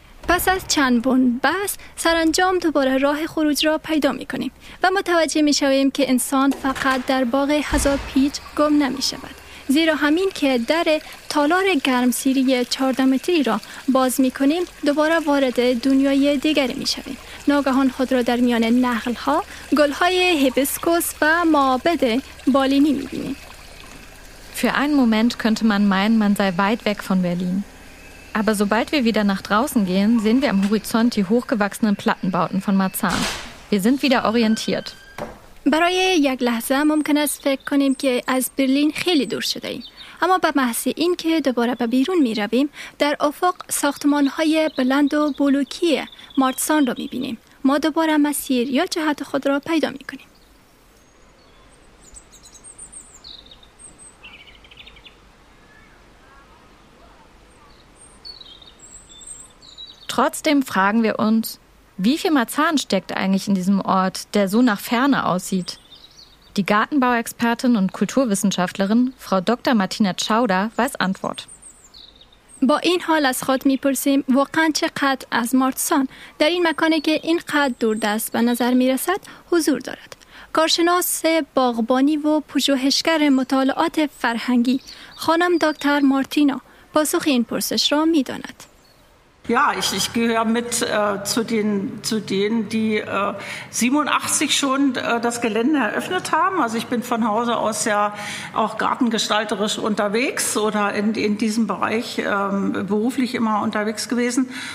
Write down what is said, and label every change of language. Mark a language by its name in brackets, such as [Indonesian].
[Persian] پس از چند بند بس سرانجام دوباره راه خروج را پیدا می کنیم و متوجه می شویم که انسان فقط در باغ هزار پیچ گم نمی شود. زیرا همین که در تالار گرمسیری 14 متری را باز می کنیم دوباره وارد دنیای دیگری می شویم. ناگهان خود را در میان نخل‌ها، گل‌های هیبیسکوس و معابد بالینی می بینیم. [German] Für einen Moment könnte man meinen, man sei weit weg von Berlin. Aber sobald wir wieder nach draußen gehen, sehen wir am Horizont die hochgewachsenen Plattenbauten von Marzahn. Wir sind wieder orientiert. [Persian] برای یک لحظه ممکن است فکر کنیم که از برلین خیلی دور شده ایم. اما به محض این که دوباره به بیرون می رویم، در افق ساختمان‌های بلند و بلوکی مارتسان را می بینیم. ما دوباره مسیر یا جهت خود را پیدا می کنیم. [German] Trotzdem fragen wir uns, wie viel Marzahn steckt eigentlich in diesem Ort, der so nach Ferne aussieht? Die Gartenbauexpertin und Kulturwissenschaftlerin Frau Dr. Martina Czauda weiß Antwort. [Persian] با این حال از خود میپرسیم واقعا چقدر از مارتسان در این مکانی که اینقدر دور دست به نظر میرسد حضور دارد. کارشناس باغبانی و پژوهشگر مطالعات فرهنگی خانم دکتر مارتینا پاسخ این پرسش را میداند. [German] Ja, ich gehöre mit zu denen, die 87 schon das Gelände eröffnet haben. Also ich bin von Hause aus ja auch gartengestalterisch unterwegs oder in diesem Bereich beruflich immer unterwegs gewesen.